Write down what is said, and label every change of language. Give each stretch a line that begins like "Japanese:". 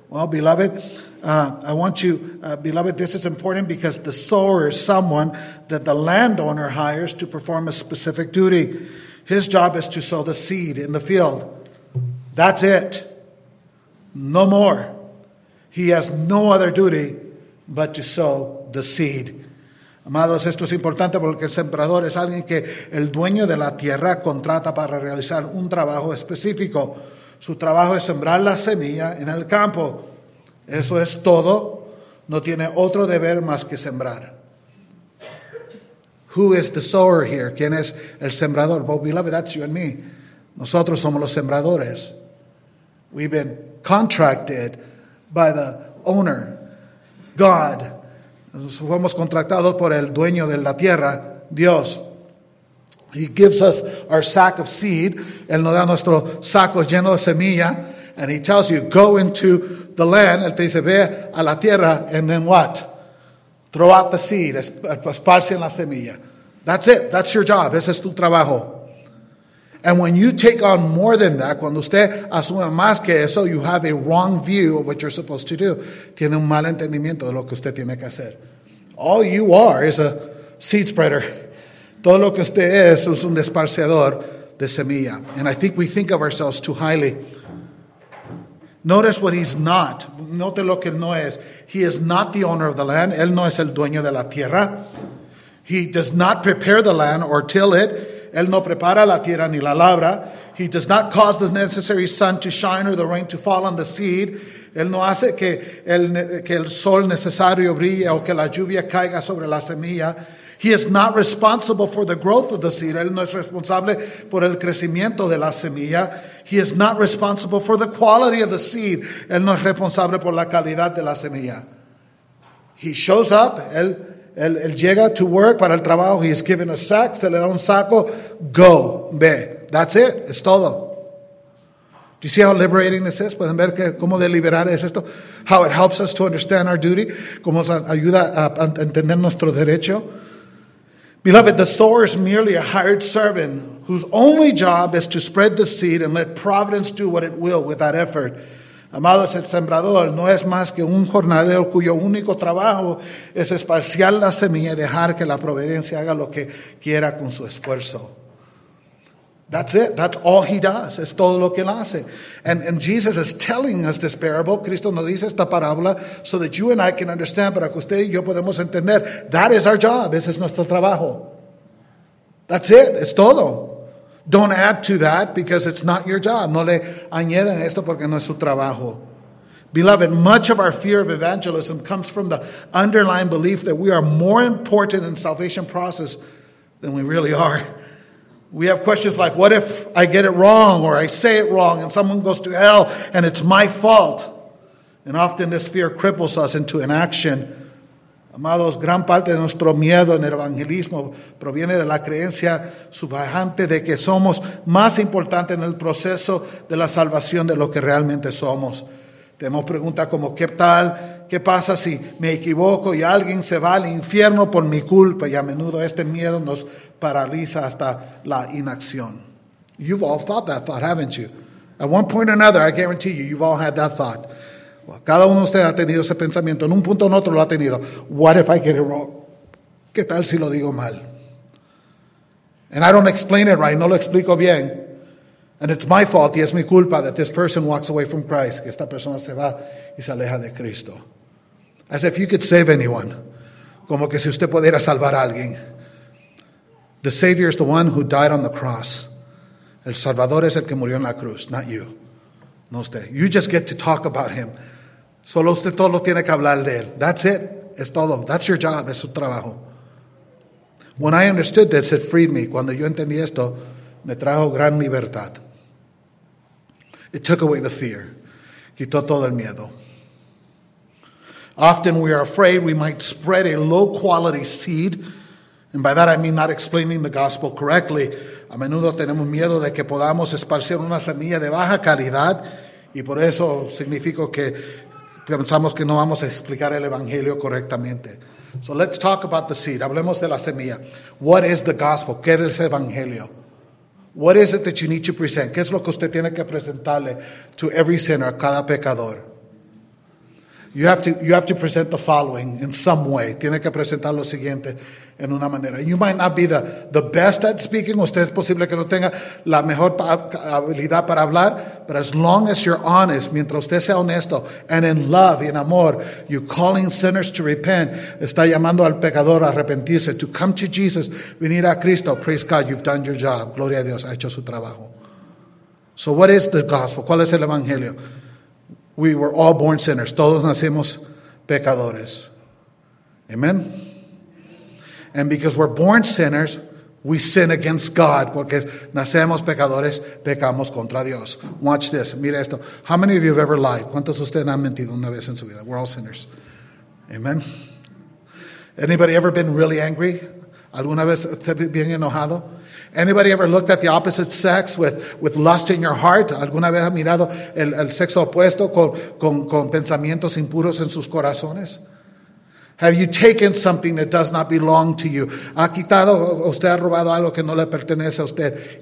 English: Well, beloved, beloved, this is important because the sower is someone that the landowner hires to perform a specific duty. His job is to sow the seed in the field. That's it. No more. He has no other duty but to sow the seed.
Spanish: Amados, esto es importante porque el sembrador es alguien que el dueño de la tierra contrata para realizar un trabajo específico. Su trabajo es sembrar la semilla en el campo. Eso es todo. No tiene otro deber más que sembrar.
English: Who is the sower here?
Spanish: ¿Quién es el sembrador?
English: Well, beloved, that's you and me.
Spanish: Nosotros somos los sembradores.
English: We've been contracted by the owner, God.
Spanish: Nos fuimos contratados por el dueño de la tierra, Dios.
English: He gives us our sack of seed.
Spanish: Él nos da nuestro saco lleno de semilla.
English: And he tells you, go into the land.
Spanish: Él te dice, ve a la tierra.
English: And then what? Throw out the seed.
Spanish: Esparce en la semilla.
English: That's it. That's your job.
Spanish: Ese es tu trabajo.
English: And when you take on more than that,
Spanish: cuando usted asume más que eso,
English: you have a wrong view of what you're supposed to do.
Spanish: Tiene un mal entendimiento de lo que usted tiene que hacer.
English: All you are is a seed spreader.
Spanish: Todo lo que usted es un esparciador de semilla.
English: And I think we think of ourselves too highly. Notice what he's not.
Spanish: Note lo que no es.
English: He is not the owner of the land.
Spanish: Él no es el dueño de la tierra.
English: He does not prepare the land or till it.
Spanish: Él no prepara la tierra ni la labra.
English: He does not cause the necessary sun to shine or the rain to fall on the seed.
Spanish: Él no hace que el sol necesario brille o que la lluvia caiga sobre la semilla.
English: He is not responsible for the growth of the seed.
Spanish: Él no es responsable por el crecimiento de la semilla.
English: He is not responsible for the quality of the seed.
Spanish: Él no es responsable por la calidad de la semilla.
English: He shows up.
Spanish: Él llega
English: to work
Spanish: para el trabajo.
English: He is given a sack.
Spanish: Se le da un saco.
English: Go.
Spanish: Ve.
English: That's it.
Spanish: Es todo.
English: Do you see how liberating this is?
Spanish: ¿Pueden ver cómo deliberar es esto?
English: How it helps us to understand our duty.
Spanish: Cómo nos ayuda a entender nuestro derecho.
English: Beloved, the sower is merely a hired servant whose only job is to spread the seed and let providence do what it will with that effort.
Spanish: Amados, el sembrador no es más que un jornalero cuyo único trabajo es esparciar la semilla y dejar que la providencia haga lo que quiera con su esfuerzo.
English: That's it. That's all he does.
Spanish: Es todo lo que él hace.
English: And Jesus is telling us this parable.
Spanish: Cristo nos dice esta parábola
English: so that you and I can understand,
Spanish: para que usted y yo podemos entender.
English: That is our job.
Spanish: Ese es nuestro trabajo.
English: That's it.
Spanish: Es todo.
English: Don't add to that because it's not your job.
Spanish: No le añadan esto porque no es su trabajo.
English: Beloved, much of our fear of evangelism comes from the underlying belief that we are more important in the salvation process than we really are. We have questions like, what if I get it wrong or I say it wrong and someone goes to hell and it's my fault? And often this fear cripples us into inaction.
Spanish: Amados, gran parte de nuestro miedo en el evangelismo proviene de la creencia subyacente de que somos más importantes en el proceso de la salvación de lo que realmente somos. Tenemos preguntas como, ¿qué tal? ¿Qué pasa si me equivoco y alguien se va al infierno por mi culpa? Y a menudo este miedo nos paraliza hasta la inacción.
English: You've all thought that thought, haven't you? At one point or another, I guarantee you, you've all had that thought.
Spanish: Well, cada uno de ustedes ha tenido ese pensamiento. En un punto o en otro lo ha tenido.
English: What if I get it wrong?
Spanish: ¿Qué tal si lo digo mal?
English: And I don't explain it right.
Spanish: No lo explico bien.
English: And it's my fault,
Spanish: y es mi culpa,
English: that this person walks away from Christ,
Spanish: que esta persona se va y se aleja de Cristo.
English: As if you could save anyone.
Spanish: Como que si usted pudiera salvar a alguien.
English: The Savior is the one who died on the cross.
Spanish: El Salvador es el que murió en la cruz,
English: not you.
Spanish: No usted.
English: You just get to talk about him.
Spanish: Solo usted todo tiene que hablar de él.
English: That's it.
Spanish: Es todo.
English: That's your job.
Spanish: Es su trabajo.
English: When I understood this, it freed me.
Spanish: Cuando yo entendí esto, me trajo gran libertad.
English: It took away the fear.
Spanish: Quitó todo el miedo.
English: Often we are afraid we might spread a low quality seed And by that I mean not explaining the gospel correctly.
Spanish: A menudo tenemos miedo de que podamos esparcir una semilla de baja calidad, y por eso significa que pensamos que no vamos a explicar el evangelio correctamente.
English: So let's talk about the seed.
Spanish: Hablemos de la semilla.
English: What is the gospel?
Spanish: ¿Qué es el evangelio?
English: What is it that you need to present?
Spanish: ¿Qué es lo que usted tiene que presentarle
English: to every sinner,
Spanish: cada pecador?
English: You have to present the following in some way.
Spanish: Tiene que presentar lo siguiente en una manera.
English: You might not be the best at speaking.
Spanish: Usted es posible que no tenga la mejor habilidad para hablar.
English: But as long as you're honest,
Spanish: mientras usted sea honesto,
English: and in love, in amor, you're calling sinners to repent.
Spanish: Está llamando al pecador a arrepentirse.
English: To come to Jesus,
Spanish: venir a Cristo.
English: Praise God, you've done your job.
Spanish: Gloria a Dios, ha hecho su trabajo.
English: So what is the gospel?
Spanish: ¿Cuál es el evangelio?
English: We were all born sinners.
Spanish: Todos nacimos pecadores.
English: Amen. And because we're born sinners, we sin against God.
Spanish: Porque nacemos pecadores, pecamos contra Dios.
English: Watch this.
Spanish: Mira esto.
English: How many of you have ever lied?
Spanish: ¿Cuántos de ustedes han mentido una vez en su vida?
English: We're all sinners. Amen. Anybody ever been really angry?
Spanish: ¿Alguna vez bien enojado?
English: Anybody ever looked at the opposite sex with lust in your heart?
Spanish: ¿Alguna vez ha mirado el sexo opuesto con pensamientos impuros en sus corazones?
English: Have you taken something that does not belong to you?
Spanish: ¿Ha quitado, usted ha robado algo que no le pertenece a usted?